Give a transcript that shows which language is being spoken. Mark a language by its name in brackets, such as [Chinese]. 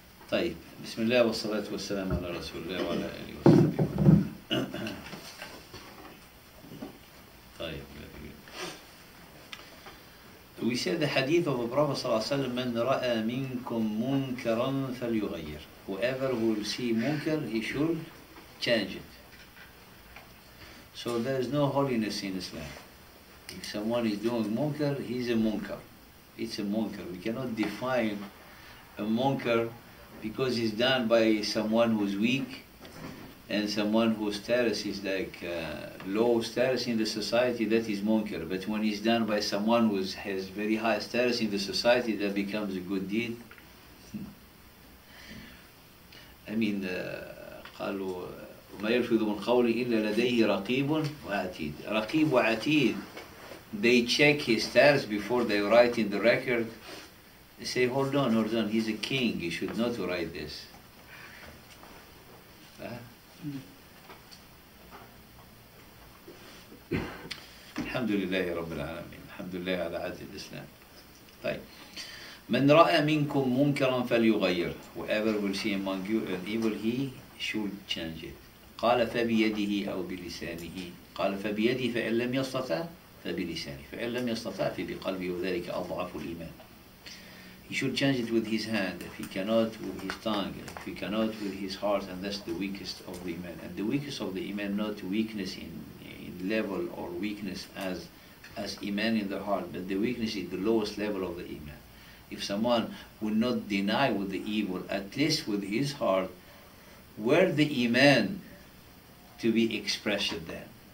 [Arabic] طيب بسم الله والصلاة والسلام على رسول الله وعلى آله وصحبه. طيب. [English] We said the hadith of the Prophet [Arabic] صلى الله عليه وسلم, من رأى منكم منكرا فليغير. [English] Whoever will see munkar, he should change it. So there is no holiness in Islam. If someone is doing munkar, he's a munkar. It's a munkar. We cannot define a munkar because it's done by someone who's weak and someone whose status is like low status in the society, that is munkar. But when it's done by someone who has very high status in the society, that becomes a good deed. I mean, [Arabic] قالوا ما يلفظ من قول إلا لديه رقيب وعتيد. رقيب وعتيد, [English] they check his status before they write in the record. They say, hold on, he's a king, he should not write this. [Arabic] الحمد لله رب العالمين الحمد لله على عهد الإسلام. طيب من رأى منكم منكرا فليغير. [English] Whoever will see among you an evil, he should change it. [Arabic] قال فبيده أو بلسانه. قال فبيده فإن لم يستطع فبلسانه, فإن لم يستطع فبقلبه, وذلك أضعف الإيمان. [English] He should change it with his hand, if he cannot with his tongue, if he cannot with his heart, and that's the weakest of the iman. And the weakest of the iman, not weakness in level or weakness as iman in the heart, but the weakness is the lowest level of the iman. If someone would not deny with the evil, at least with his heart, where the iman to be expressed then?